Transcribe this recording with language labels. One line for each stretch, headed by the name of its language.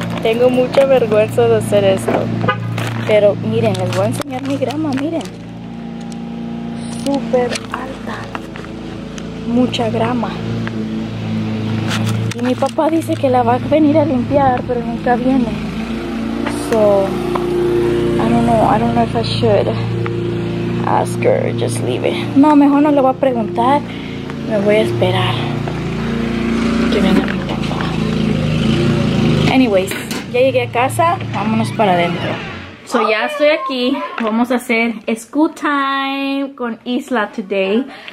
Spanish: Tengo mucha vergüenza de hacer esto. Pero miren, les voy a enseñar mi grama, miren. Súper alta. Mucha grama. Y mi papá dice que la va a venir a limpiar, pero nunca viene.
English: So, I don't know if I should ask her, just leave it.
Spanish: No, mejor no le voy a preguntar. Me voy a esperar que venga mi papá. Anyways, ya llegué a casa, vámonos para adentro. So ya estoy aquí, vamos a hacer school time con Isla
English: today.